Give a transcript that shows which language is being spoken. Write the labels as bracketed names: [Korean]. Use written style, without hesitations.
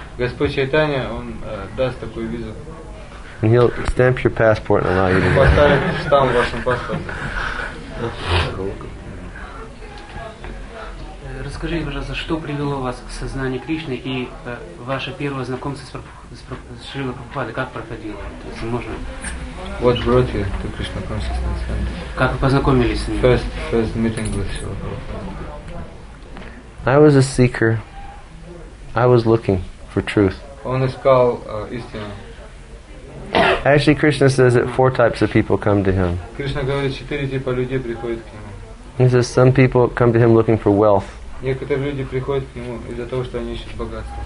[Russian] Господь Чайтанья, он даст такую визу. [English] And he'll stamp your passport and allow you to go. [Russian] Поставит штамп в вашем паспорте. Расскажите, пожалуйста, что привело вас к сознанию Кришны и ваше первое знакомство с Шрилой Прабхупадой, как проходило? То есть, можно... [English] What brought you to Krishna consciousness? And [Russian] как вы познакомились с ним? [English] First meeting with Shri Prabhupada. I was a seeker. I was looking for truth. [Russian] Он искал истину. [English] Actually, Krishna says that four types of people come to him. [Russian] Кришна говорит, четыре типа людей приходят к нему. [English] He says some people come to him looking for wealth. [Russian] Некоторые люди приходят к нему из-за того, что они ищут богатство.